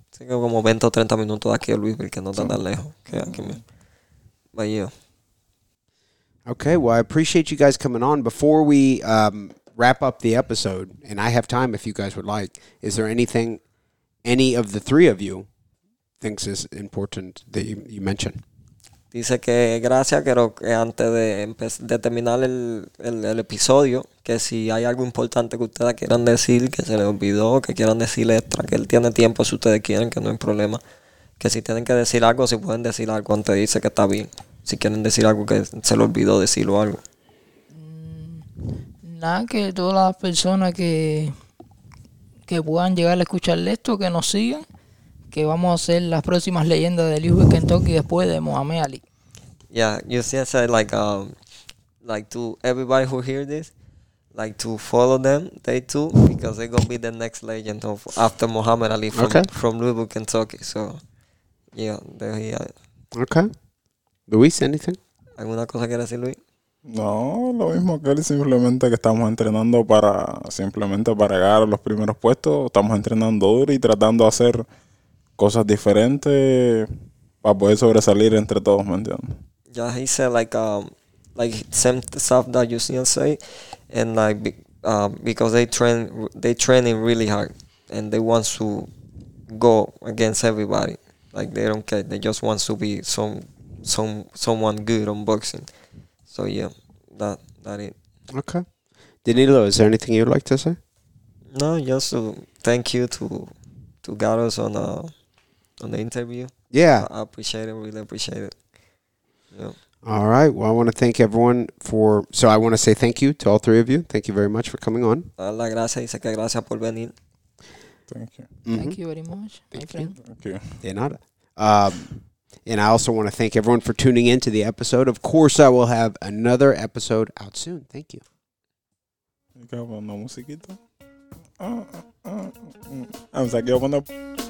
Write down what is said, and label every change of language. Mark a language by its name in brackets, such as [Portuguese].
[Spanish] Tengo como 20 o 30 minutos aquí en Louisville, que no está tan lejos. Okay, aquí me. [English] But yeah. Okay, well, I appreciate you guys coming on. Before we wrap up the episode, and I have time if you guys would like, is there anything any of the three of you thinks is important that you mention? [Spanish] Dice que gracias, pero que antes de terminar el episodio, que si hay algo importante que ustedes quieran decir, que se les olvidó, que quieran decir extra, que él tiene tiempo si ustedes quieren, que no hay problema. Que si tienen que decir algo, si pueden decir algo antes, dice que está bien. Si quieren decir algo que se le olvidó decirlo algo. Nada, que todas las personas que puedan llegar a escuchar esto, que nos sigan, que vamos a ser las próximas leyendas de Louisville, Kentucky, después de Mohamed Ali. [English] Yeah, you see, I said like to everybody who hear this, like to follow them, they too, because they're gonna be the next legend of after Mohamed Ali from Louisville, Kentucky. So yeah, there he is. Okay. Luis, anything? [Spanish] ¿Alguna cosa quiere decir, Luis? No, lo mismo que él, simplemente que estamos entrenando para simplemente para llegar a los primeros puestos. Estamos entrenando duro y tratando de hacer cosas diferentes para poder sobresalir entre todos, ¿me entiendes? [English] Ya, yeah, he said like same stuff that Yusniel say, and like because they training really hard and they want to go against everybody. Like they don't care, they just want to be some someone good on boxing. So yeah, that it. Okay. Danilo, is there anything you'd like to say? No, just to thank you to get us on the interview. Yeah. I appreciate it, really appreciate it. Yeah. All right. Well, I want to thank everyone so I want to say thank you to all three of you. Thank you very much for coming on. [Spanish] La gracia, dice que gracias por venir. [English] Thank you. Mm-hmm. Thank you very much. Thank you. [Spanish] De nada. [English] And I also want to thank everyone for tuning in to the episode. Of course, I will have another episode out soon. Thank you. [Spanish] ¿Qué hago? ¿No musiquita? Vamos a que yo pongo...